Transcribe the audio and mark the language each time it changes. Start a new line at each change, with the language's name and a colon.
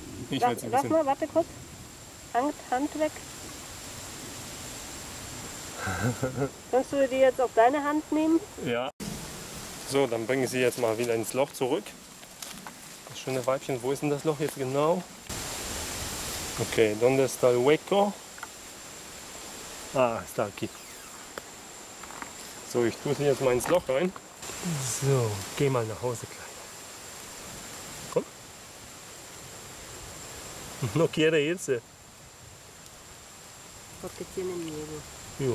German: Warte kurz. Hand weg. Kannst du die jetzt auf deine Hand nehmen? Ja. So, dann bringe ich sie jetzt mal wieder ins Loch zurück. Das schöne Weibchen, wo ist denn das Loch jetzt genau?
Spanish: Okay, donde está el hueco? Ah, está aquí.
German: So, ich tue sie jetzt mal ins Loch rein. So, geh mal nach Hause, Kleine. Komm, Noch gerne jetzt. Was gibt's hier in der Nähe?